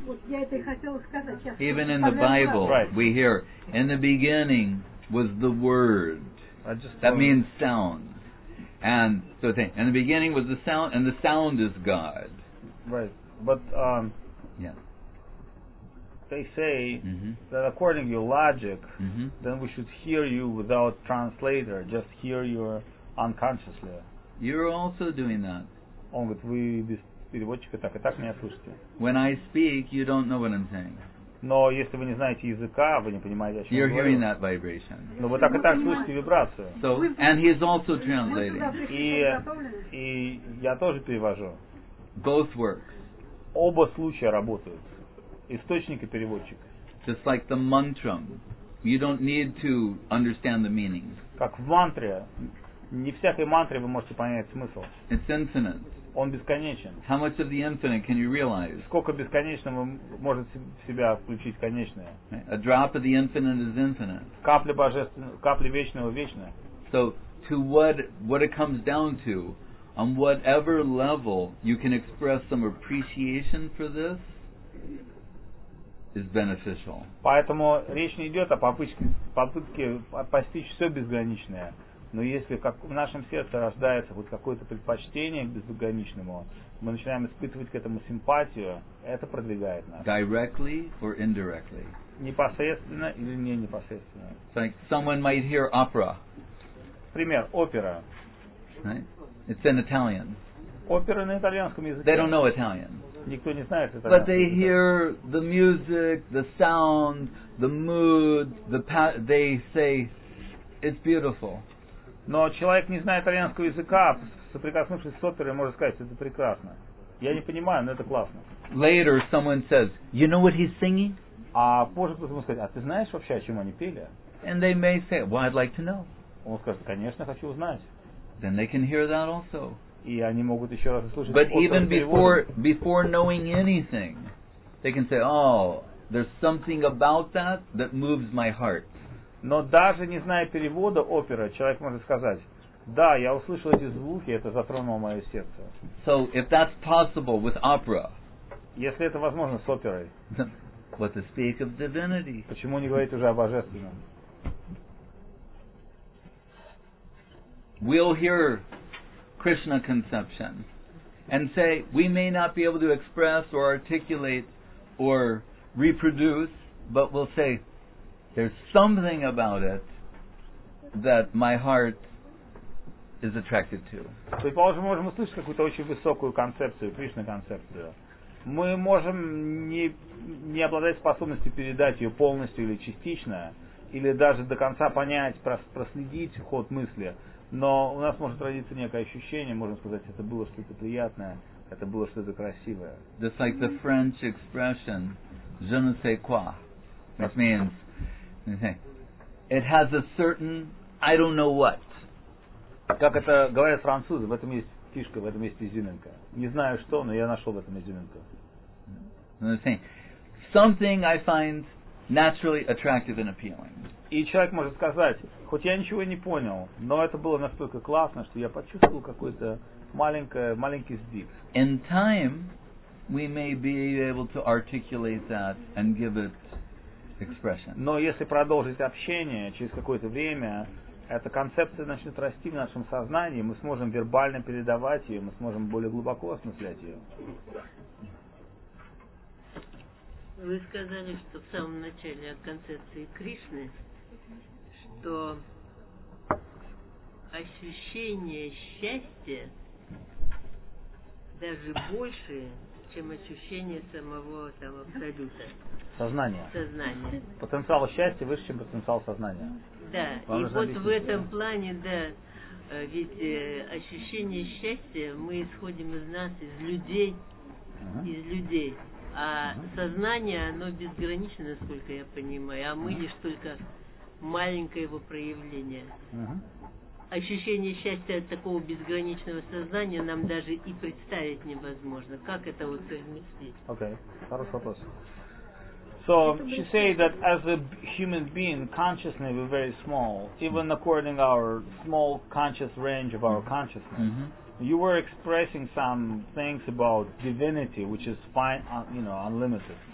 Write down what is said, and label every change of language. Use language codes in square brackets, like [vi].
[ru] Вот я это и хотела сказать. Сейчас [en] even in the Bible, right. We hear, in the beginning was the word. That means sound. And so saying, in the beginning was the sound, and the sound is God. Right. But they say that according to your logic, then we should hear you without translator, just hear you unconsciously. You're also doing that. [ru] Он говорит, вы без переводчика так и так меня слышите. [en] When I speak, you don't know what I'm saying. [ru] Но если вы не знаете языка, вы не понимаете, о чем я говорю. [en] You're hearing that vibration. [ru] Но вы так и так слышите вибрацию. [en] So, and he's also translating. [ru] И я тоже перевожу. [en] Both work. [ru] Оба случая работают. Источник и переводчик. [en] Just like the mantra. You don't need to understand the meaning. [ru] Как в мантре. Не всякой мантре вы можете понять смысл. [en] It's infinite. [ru] Он бесконечен. [en] How much of the infinite can you realize? [ru] Сколько бесконечного может в себя включить конечное? [en] A drop of the infinite is infinite. [ru] Капля божественного, капля вечного вечна. [en] So to what it comes down to, on whatever level you can express some appreciation for this, is beneficial. [ru] Поэтому речь не идет о попытке постичь все безграничное. Но если как в нашем сердце рождается вот какое-то предпочтение к безграничному, мы начинаем испытывать к этому симпатию, это продвигает нас. [en] Directly or indirectly? [ru] Непосредственно или не непосредственно. [en] Like someone might hear opera. [ru] Пример, опера. [en] Right? It's in Italian. [ru] Опера на итальянском языке. [en] They don't know Italian. [ru] Никто не знает итальянский. [en] But they hear the music, the sound, the mood, they say it's beautiful. [ru] Но человек, не зная итальянского языка, соприкоснувшись с оперой, может сказать, это прекрасно. Я не понимаю, но это классно. [en] Later someone says, you know what he's singing? [ru] А позже кто-то может сказать, а ты знаешь вообще, о чем они пели? [en] And they may say, well, I'd like to know. [ru] Он скажет, конечно, хочу узнать. [en] Then they can hear that also. [ru] И они могут еще раз услышать. [en] But even before knowing anything, they can say, oh, there's something about that that moves my heart. [ru] Но даже не зная перевода оперы, человек может сказать, да, я услышал эти звуки, это затронуло мое сердце. [en] So, if that's possible with opera, [ru] если это возможно с оперой, [en] what to speak of divinity. [ru] Почему не говорить уже о божественном? [en] We'll hear Krishna conception and say we may not be able to express or articulate or reproduce, but we'll say there's something about it that my heart is attracted to. [ru] Мы можем услышать какую-то очень высокую концепцию, Кришна концепцию. Мы можем не обладать способностью передать ее полностью или частично, или даже до конца понять, проследить ход мысли, но у нас может родиться некое ощущение, можно сказать, это было что-то приятное, это было что-то красивое. [en] Just like the French expression, [fr] je ne sais quoi. [en] That means it has a certain I don't know what. [ru] Как это говорят французы, в этом есть фишка, в этом есть изюминка. Не знаю что, но я нашел в этом изюминку. [en] Something I find naturally attractive and appealing. [ru] И человек может сказать, хоть я ничего не понял, но это было настолько классно, что я почувствовал какой-то маленький сдвиг. [en] In time, we may be able to articulate that and give it expression. [ru] Но если продолжить общение через какое-то время, эта концепция начнет расти в нашем сознании, мы сможем вербально передавать ее, мы сможем более глубоко осмыслять ее. Вы сказали, что в самом начале о концепции Кришны, что ощущение счастья даже больше, чем ощущение самого там абсолюта. Сознание. Сознание. Потенциал счастья выше, чем потенциал сознания. Да, вам и вот объяснить. В этом плане, да, ведь ощущение счастья мы исходим из нас, из людей, uh-huh. из людей. А uh-huh. сознание, оно безграничное, насколько я понимаю, а мы uh-huh. лишь только маленькое его проявление. Uh-huh. Ощущение счастья от такого безграничного сознания нам даже и представить невозможно. Как это вот совместить? Окей, okay. Хороший вопрос. [en] So she said that as a human being, consciously we're very small, even according to our small conscious range of our consciousness. Mm-hmm. You were expressing some things about divinity, which is unlimited.